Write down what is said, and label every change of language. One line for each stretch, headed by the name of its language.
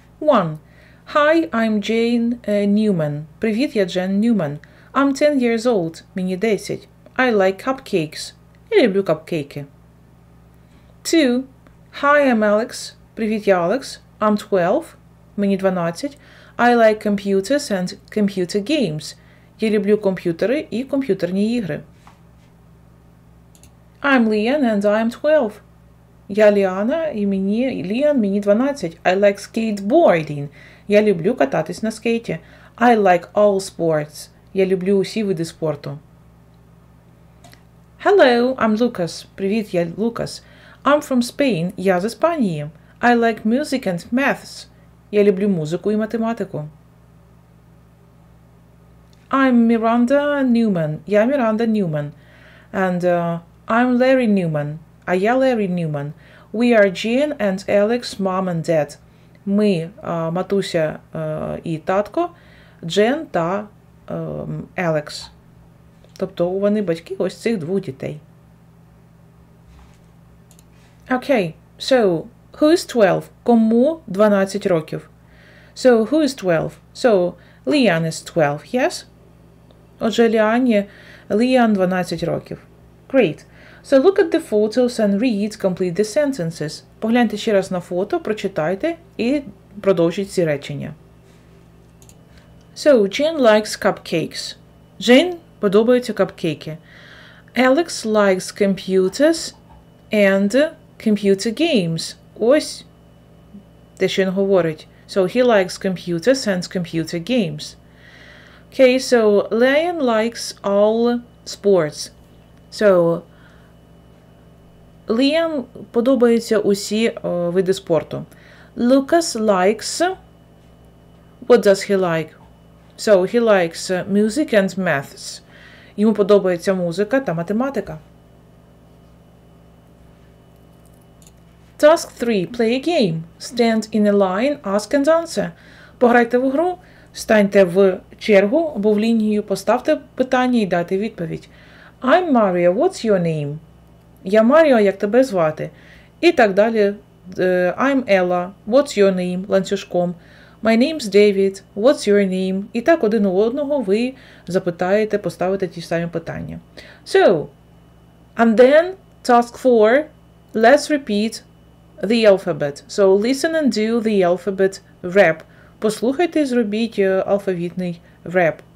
English: 1. Hi, I'm Jane Newman.
Ukrainian: Привіт, я Джен Ньюман.
English: I'm 10 years old.
Ukrainian: Мені 10.
English: I like cupcakes.
Ukrainian: Я люблю капкейки.
English: 2. Hi, I'm Alex.
Ukrainian: Привіт, я Alex.
English: I'm 12.
Ukrainian: Мені 12.
English: I like computers and computer games.
Ukrainian: Я люблю комп'ютери і комп'ютерні ігри.
English: I'm Leon and I'm 12.
Ukrainian: Я Ліана і мені 12.
English: I like skateboarding.
Ukrainian: Я люблю кататись на скейті.
English: I like all sports.
Ukrainian: Я люблю усі види спорту.
English: Hello, I'm Lucas.
Ukrainian: Привіт, я Лукас.
English: I'm from Spain.
Ukrainian: Я з Іспанії.
English: I like music and maths. Я люблю музику і математику. I'm Miranda Newman.
Ukrainian: Я Miranda Newman.
English: And I'm Larry Newman.
Ukrainian: А я Larry Newman.
English: We are Jean and Alex, mom and dad.
Ukrainian: Ми матуся і татко, Джен та Alex. Тобто вони батьки ось цих двох дітей.
English: Okay, so who is 12?
Ukrainian: Кому 12 років?
English: So who is 12? So Leon is 12, yes?
Ukrainian: Отже, Leon 12 років.
English: Great. So look at the photos and read, complete the sentences.
Ukrainian: Погляньте ще раз на фото, прочитайте і продовжіть ці речення.
English: So Jean likes cupcakes.
Ukrainian: Jean подобаються капкейки.
English: Alex likes computers and computer games.
Ukrainian: Ось те, що він говорить.
English: So he likes computers and computer games. Okay, so Leon likes all sports.
Ukrainian: So Leon подобаються усі види спорту.
English: Lucas likes, what does he like? So he likes music and maths.
Ukrainian: Йому подобається музика та математика.
English: Task 3. Play a game. Stand in a line, ask and answer.
Ukrainian: Пограйте в гру, станьте в чергу або в лінію, поставте питання і дайте відповідь.
English: I'm Mario, what's your name?
Ukrainian: Я Маріо, як тебе звати? І так далі.
English: I'm Ella, what's your name?
Ukrainian: Ланцюжком.
English: My name's David, what's your name?
Ukrainian: І так один у одного ви запитаєте, поставите ті самі питання.
English: So, and then task 4, let's repeat the alphabet. So, listen and do the alphabet rap.
Ukrainian: Послухайте і зробіть алфавітний рап.